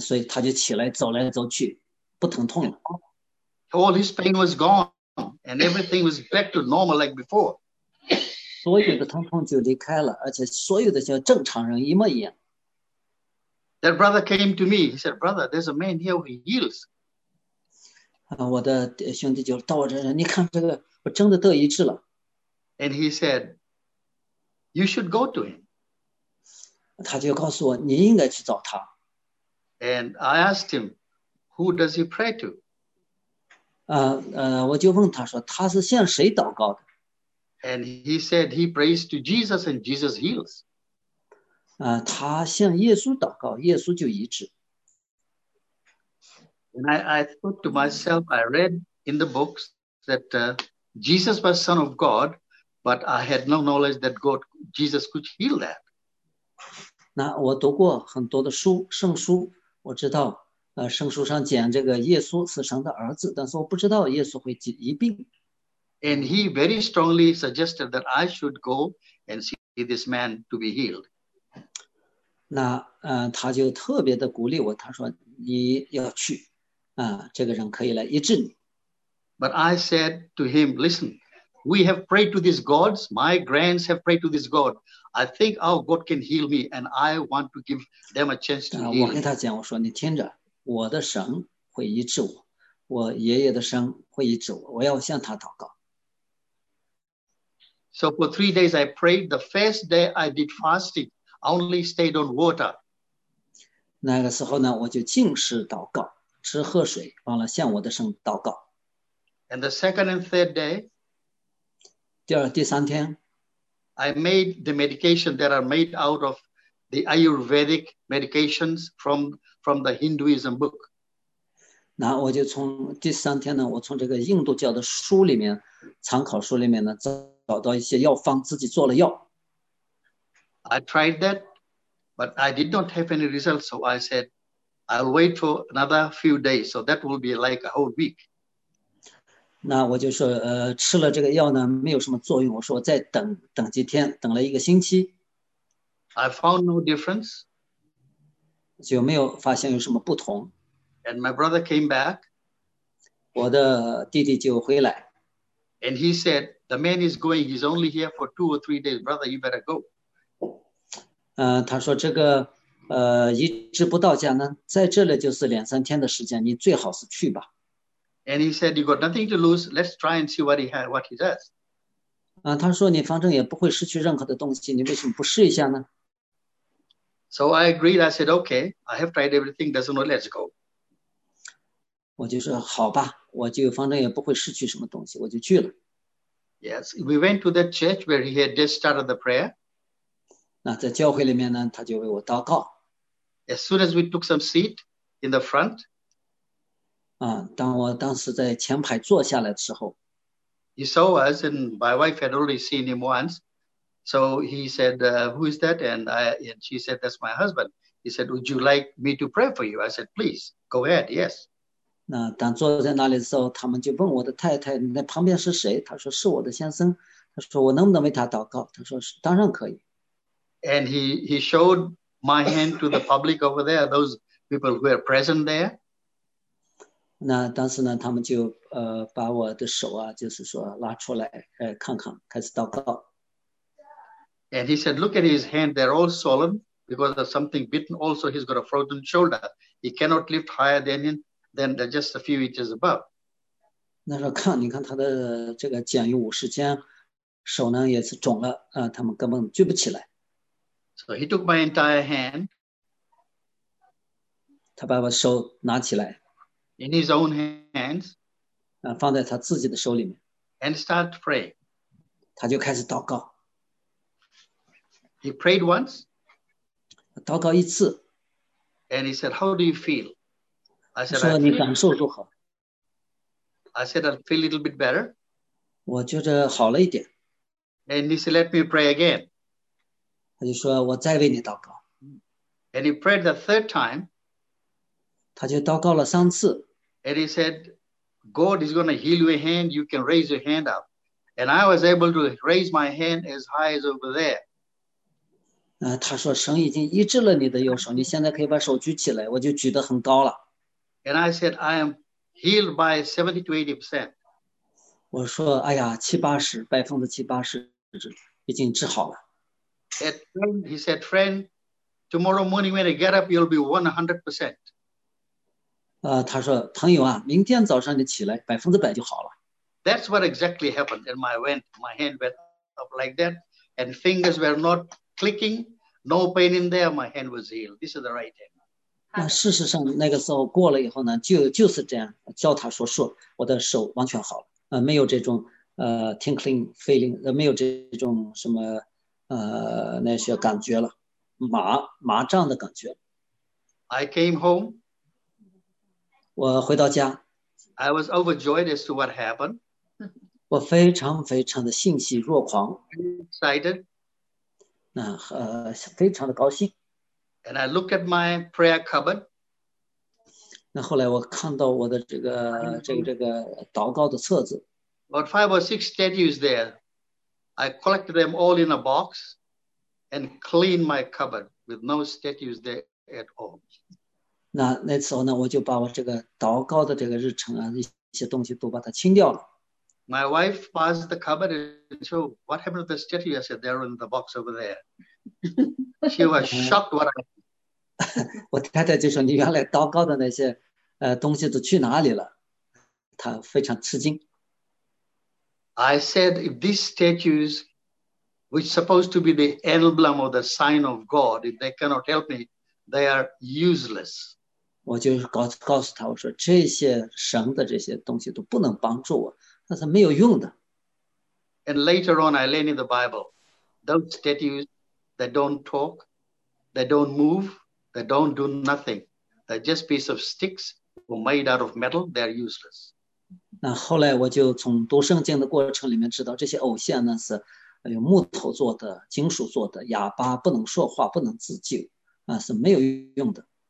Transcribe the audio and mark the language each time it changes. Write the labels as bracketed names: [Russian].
[Chinese] 所以他就起来走来走去，不疼痛了。 [English] All his pain was gone, and everything was back to normal like before. [Chinese] 所有的疼痛就离开了，而且所有的像正常人一模一样。 [English] That brother came to me. He said, "Brother, there's a man here who heals." [Chinese] 我的兄弟就到我这儿，你看这个，我真的得医治了。 [English] And he said, "You should go to him." [Chinese] 他就告诉我，你应该去找他。 [English] And I asked him, "Who does he pray to?" [Chinese] 我就问他说，他是向谁祷告的？ [English] And he said he prays to Jesus and Jesus heals. [Chinese] 他向耶稣祷告，耶稣就医治。 [English] And I thought to myself, I read in the books that Jesus was Son of God, but I had no knowledge that God, Jesus could heal that. [Chinese] 那我读过很多的书，圣书，我知道，圣书上讲这个耶稣是神的儿子，但是我不知道耶稣会医病。 [English] And he very strongly suggested that I should go and see this man to be healed. [Chinese] 那他就特别的鼓励我，他说你要去，这个人可以来医治你。 [English] But I said to him, "Listen, we have prayed to these gods. My grands have prayed to this God. I think our God can heal me, and I want to give them a chance to [Chinese] 我 [English] heal." [Chinese] 跟他讲，我说你听着，我的神会医治我，我爷爷的神会医治我，我要向他祷告。 [English] So for 3 days I prayed. The first day I did fasting, only stayed on water. [Chinese] 那个时候呢，我就进食祷告，吃喝水，忘了向我的神祷告。 [English] And the second and third day, [Chinese] 第三天， [English] I made the medication that are made out of the Ayurvedic medications from the Hinduism book. [Chinese] 那我就从第三天呢，我从这个印度教的书里面，参考书里面呢，找到一些药方，自己做了药。 [English] I tried that, but I did not have any results, so I said, I'll wait for another few days, so that will be like a whole week. [Chinese] 那我就说，吃了这个药呢，没有什么作用。我说，我再等等几天，等了一个星期， [English] I found no difference. [Chinese] 就没有发现有什么不同。 [English] And my brother came back. [Chinese] 我的弟弟就回来， [English] And he said, "The man is going, he's only here for 2 or 3 days. Brother, you better go." [Chinese] 他说这个，医治不到家呢，在这里就是两三天的时间，你最好是去吧。 [English] And he said, "You got nothing to lose. Let's try and see what he does." [Chinese] 他说你反正也不会失去任何的东西，你为什么不试一下呢？ [English] So I agreed. I said, "Okay, I have tried everything. Doesn't work. Let's go." [Chinese] 我就说好吧，我就反正也不会失去什么东西，我就去了。 [English] Yes, we went to that church where he had just started the prayer. [Chinese] 那在教会里面呢，他就为我祷告。 [English] As soon as we took some seat in the front, [Chinese] 当我当时在前排坐下来的时候。 [English] he saw us, and my wife had already seen him once. So he said, "Who is that?" And she said, "That's my husband." He said, "Would you like me to pray for you?" I said, "Please, go ahead." Yes. [Chinese] 那当坐在那里的时候，他们就问我的太太：“你那旁边是谁？” 他说：“是我的先生。”他说：“我能不能为他祷告？” 他说：“是，当然可以。 [English] And he showed my hand to the public over there, those people who are present there. [Chinese] ”那当时呢，他们就把我的手啊，就是说拉出来，看看，开始祷告。 [English] And he said, "Look at his hand, they're all swollen because of something bitten. Also, he's got a frozen shoulder. He cannot lift higher than just a few inches above." [Chinese] 那时候看，你看他的这个茧有5十间，手呢也是肿了，他们根本聚不起来。 [English] So he took my entire hand [Chinese] 他把我手拿起来， [English] in his own hands [Chinese] 放在他自己的手里面， [English] and start praying. [Chinese] 他就开始祷告。 [English] He prayed once [Chinese] 祷告一次， [English] and he said, "How do you feel?" I said, [Chinese] 说你感受如何？ [English] I feel a little bit better." [Chinese] 我觉着好了一点， [English] And he said, "Let me pray again." [Chinese] 他就说我再为你祷告， [English] And he prayed the third time. [Chinese] 他就祷告了三次。 [English] And he said, "God is going to heal your hand. You can raise your hand up." And I was able to raise my hand as high as over there. [Chinese] 他说神已经医治了你的右手，你现在可以把手举起来，我就举得很高了。 [English] And I said, I am healed by 70 to 80%. [Chinese] 我说，哎呀，70%-80% 已经治好了。 [English] He said, friend, tomorrow morning when I get up, you'll be 100%. [Chinese] 他说，朋友啊，明天早上你起来，100%就好了。 [English] That's what exactly happened. And my hand went up like that, and fingers were not clicking, no pain in there. My hand was healed. This is the right hand. [Chinese] 那事实上，那个时候过了以后呢，就是这样，教他说数，我的手完全好了，没有这种 [English] tinkling feeling， [Chinese] 没有这种什么。那些感觉了，麻胀的感觉。 [English] I came home. [Chinese] 我回到家。 [English] I was overjoyed as to what happened. [Chinese] 我非常非常的欣喜若狂。 [English] Excited. [Chinese] 那非常的高兴。 [English] And I looked at my prayer cupboard. [Chinese] 那后来我看到我的这个祷告的册子。 [English] About 5 or 6 statues there. I collected them all in a box and cleaned my cupboard with no statues there at all. [Chinese] 那时候呢，我就把我这个祷告的这个日程啊，一些东西都把它清掉了。 [English] My wife passed the cupboard and said, "What happened to the statue?" I said, "They're in the box over there." She was shocked. What? [Chinese] 我太太就说：“你原来祷告的那些东西都去哪里了？” 她非常吃惊。 [English] I said, if these statues, which are supposed to be the emblem or the sign of God, if they cannot help me, they are useless. [Chinese] 我就告诉他，我说这些神的这些东西都不能帮助我，那是没有用的。 [English] And later on, I learned in the Bible, those statues, they don't talk, they don't move, they don't do nothing. They're just pieces of sticks or made out of metal. They are useless. [Chinese] 那后来我就从读圣经的过程里面知道，这些偶像呢是用木头做的、金属做的，哑巴，不能说话，不能自救，是没有用的。